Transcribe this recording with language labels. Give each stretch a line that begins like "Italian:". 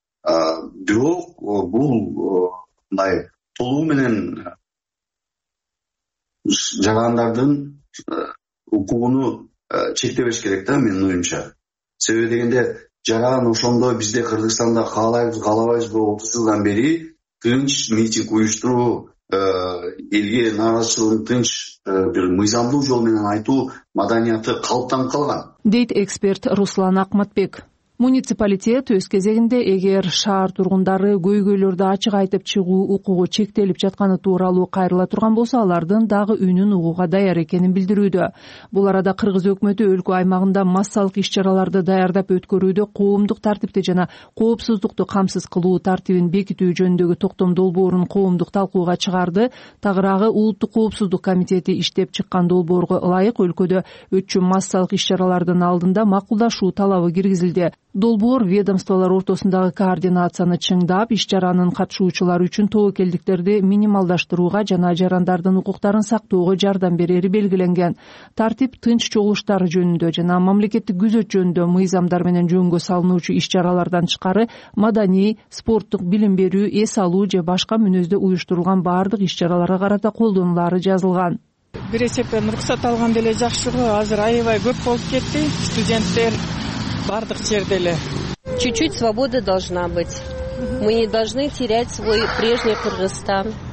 Kyrgyz: Бирок бул мындай толугу менен жарандардын укугуну чектебеш керек да менин оюмча. Себеби дегенде жараан ошондо бизде Кыргызстанда каалайбыз каалабайбызбы 30 жылдан бери тынч митинг уюштуруу, элге нааразычылыгын тынч бир мыйзамдуу жол менен айтуу маданияты калыптанып калган, дейт эксперт Руслан Акматбек. Муниципалитет өз кезегинде эгер шаар тургундары көйгөйлөрдү ачык айтып чыгуу укугу чектелип жатканы тууралуу кайрыла турган болсо, алардын дагы үнүн угууга даяр экенин билдирүүдө. Бул арада кыргыз өкмөтү өлкө аймагында массалык иш чараларды даярдап өткөрүүдө коомдук тартипти жана коопсуздукту камсыз кылуу тартибин бекитүү жөнүндөгү токтом долбоорун коомдук талкууга чыгарды. Тагыраагы улуттук коопсуздук комитети иштеп чыккан долбоорго ылайык өлкөдө өтчү массалык иш чаралардын алдында макулдашуу талабы киргизилди. Долбоор ведомстволор ортосундагы координацияны чыңдап, иш чаранын катышуучулары үчүн тобокелдиктерди минималдаштырууга жана жарандардын укуктарын сактоого жардам берери белгиленген. Тартип тынч чогулуштар жөнүндө жана мамлекеттик күзөт жөнүндө мыйзамдар менен жөнгө салынуучу иш чаралардан тышкары маданий, спорттук, билим берүү, эс алуу же башка мүнөздө уюштурулган бардык иш чараларга карата колдонулары жазылган. Бир эсептен уруксат алган деле жакшы го, азыр аябай көп болуп кетти студенттер. Бардык жерде эле.
Russian: Чуть-чуть свобода должна быть. Мы не должны терять свой прежний Кыргызстан.